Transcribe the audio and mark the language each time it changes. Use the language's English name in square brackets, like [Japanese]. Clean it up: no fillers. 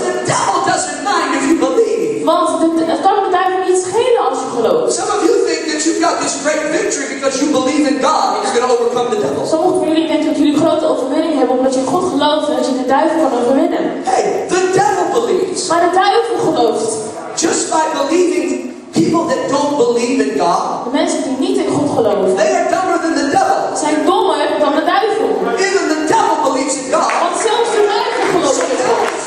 [Dutch] Want het kan het duivel niet schelen als je gelooft. [English] Some of you think that you've got this great victory because you believe in God and you're going to overcome the devil. [Dutch] Sommigen van jullie denken dat jullie grote overwinning hebben omdat je in God gelooft en dat je de duivel kan overwinnen. [English] Hey, the devil believes. [Dutch] Maar de duivel gelooft. [English] Just by believing people that don't believe in God. [Dutch] De mensen die niet in God geloven. [English] They are dumber than the devil. [Dutch] Zijn dommer dan de duivel. [English] Even the devil believes in God. [Dutch] Want zelfs de duivel gelooft in God.